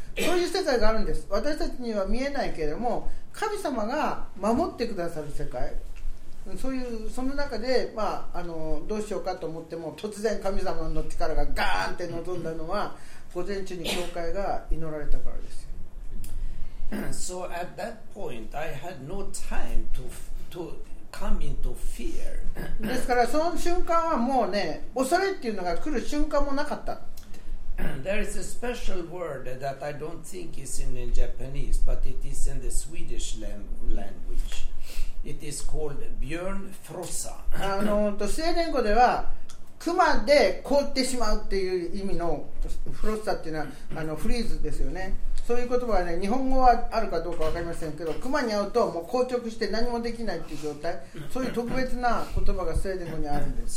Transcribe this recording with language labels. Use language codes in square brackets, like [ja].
[ja] そういう世界があるんです。私たちには見えないけれども、神様が守ってくださる世界、そういうその中で、まあ、あのどうしようかと思っても、突然神様の力がガーンって臨んだのは、午前中に教会が祈られたからです。 [en] So at that point, I had no time to come into fear. [ja] ですからその瞬間はもうね、恐れっていうのが来る瞬間もなかった。 [en] There is a special word that I don't think is in Japanese, but it is in the Swedish language. It is called Björnfrossa. [ja] スウェーデン語では熊で凍ってしまうっていう意味のフロッサっていうのは、あのフリーズですよね。そういう言葉はね、日本語はあるかどうか分かりませんけど、熊に会うともう硬直して何もできないっていう状態、そういう特別な言葉がスウェーデン語にあるんです。